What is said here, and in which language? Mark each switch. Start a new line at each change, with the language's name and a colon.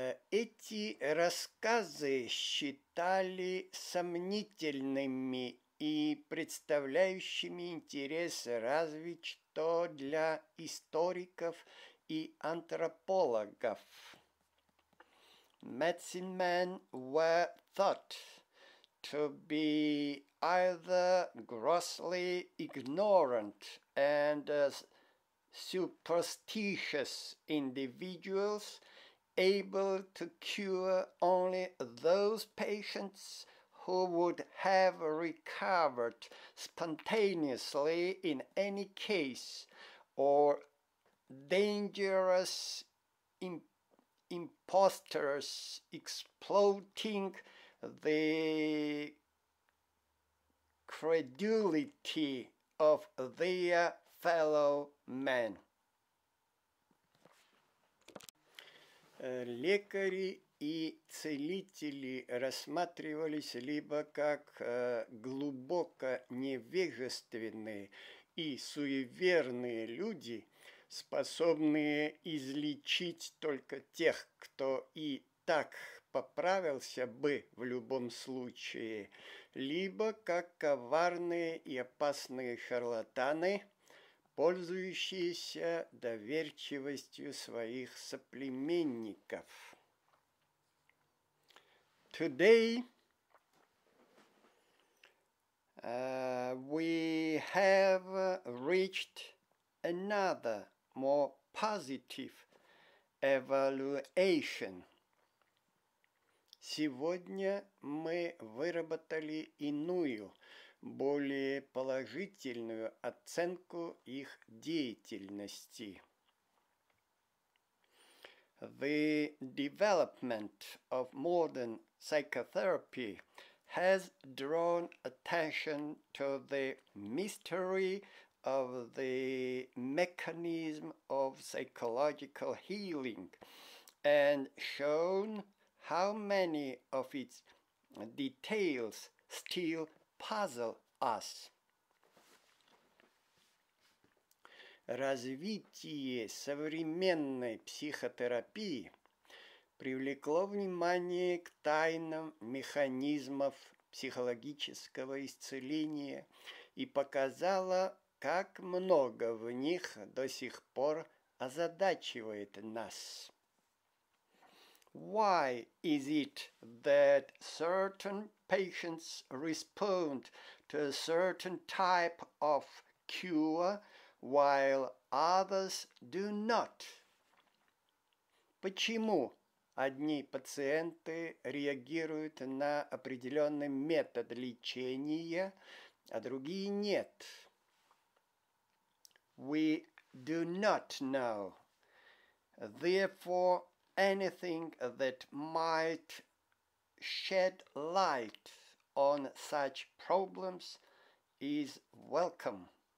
Russian: Эти рассказы считали сомнительными и представляющими интерес разве что для историков и антропологов.
English: Medicine men were thought to be either grossly ignorant and superstitious individuals, able to cure only those patients who would have recovered spontaneously in any case, or dangerous imposters exploiting the credulity of their fellow men.
Russian: Лекари и целители рассматривались либо как глубоко невежественные и суеверные люди, способные излечить только тех, кто и так поправился бы в любом случае, либо как коварные и опасные шарлатаны, пользующиеся доверчивостью своих соплеменников.
English: Today, we have reached another more positive evaluation.
Russian: Сегодня мы выработали иную, более положительную оценку их деятельности.
English: The development of modern psychotherapy has drawn attention to the mystery of the mechanism of psychological healing and shown how many of its details still puzzle us.
Russian: Развитие современной психотерапии привлекло внимание к тайнам механизмов психологического исцеления и показало, как много в них до сих пор озадачивает нас.
English: Why is it that certain patients respond to a certain type of cure while others do not?
Russian: Почему одни пациенты реагируют на определенный метод лечения, а другие нет?
English: We do not know. Therefore, anything that might shed light on such problems is welcome.